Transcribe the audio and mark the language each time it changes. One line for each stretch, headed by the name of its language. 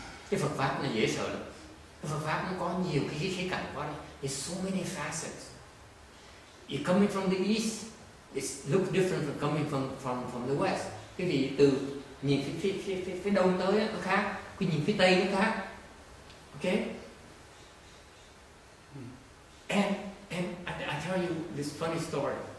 Vietnamese: Cái Phật Pháp nó dễ sợ lắm. Phật Pháp nó có nhiều cái khía cạnh quá đi.
English: There's so many facets. You're coming from the East, it looks different from coming from the West.
Vietnamese: Cái gì từ nhìn phía Đông tới nó khác, cái nhìn phía Tây nó khác. Ok?
English: And I tell you this funny story.